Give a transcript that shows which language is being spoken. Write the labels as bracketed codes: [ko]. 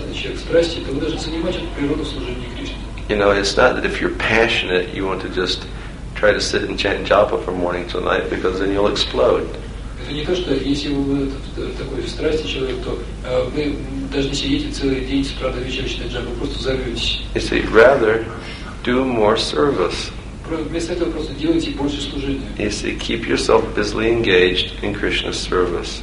[en] You know, it's not that if you're passionate, you want to just try to sit and chant japa from morning till night, because then you'll explode. [ru] Это не то, что если вы такой страсти человек, то вы должны сидеть целый день с утра до вечера читать джапу, просто взорветесь. [en] You see, rather do more service. [ru] Вместо этого просто делайте больше служения. [en] You see, keep yourself busily engaged in Krishna's service.